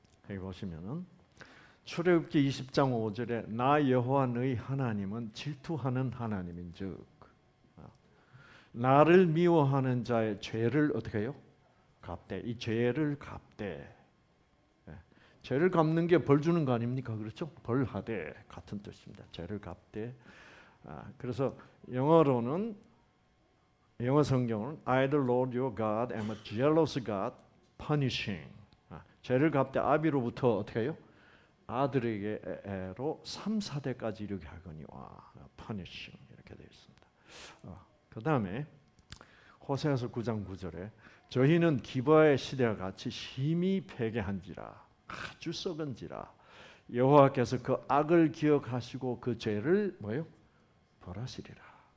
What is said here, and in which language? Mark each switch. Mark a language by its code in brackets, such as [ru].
[ko] 여기 보시면은 출애굽기 20장 5절에 나 여호와의 하나님은 질투하는 하나님인즉 나를 미워하는 자의 죄를 어떻게 해요? 갚대. 이 죄를 갚대. 죄를 갚는 게 벌 주는 거 아닙니까? 그렇죠? 벌하대 같은 뜻입니다. 죄를 갚대. 그래서 영어로는 영어 성경은 [en] I the Lord your God am a jealous God punishing. [ko] 죄를 갚되 아비로부터 어떻게 해요? 아들에게로 3,4대까지 이렇게 하거니와 punishing 이렇게 되어 있습니다. 그 다음에 호세아서 9장 9절에 저희는 기브아의 시대와 같이 심히 패괴한지라 아주 썩은지라 여호와께서 그 악을 기억하시고 그 죄를 뭐요? 벌하시리라.